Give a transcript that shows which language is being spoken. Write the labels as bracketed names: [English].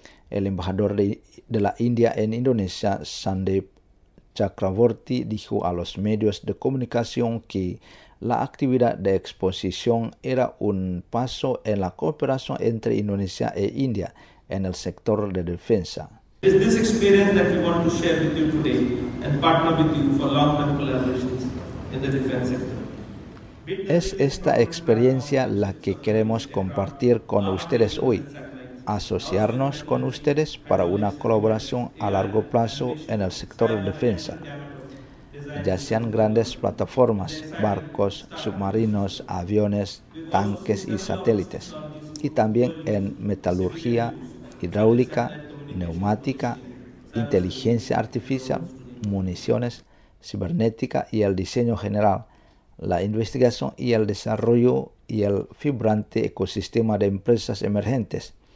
[Spanish] El embajador de la India en Indonesia, Sandeep Chakravorty, dijo a los medios de comunicación que la actividad de exposición era un paso en la cooperación entre Indonesia e India en el sector de defensa. [English] It's this experience that we want to share with you today and partner with you for long-term collaborations in the defense sector. [Spanish] Es esta experiencia la que queremos compartir con ustedes hoy, asociarnos con ustedes para una colaboración a largo plazo en el sector de defensa. Ya sean grandes plataformas, barcos, submarinos, aviones, tanques y satélites, y también en metalurgia, hidráulica, neumática, inteligencia artificial, municiones, cibernética y el diseño general, la investigación y el desarrollo y el vibrante ecosistema de empresas emergentes.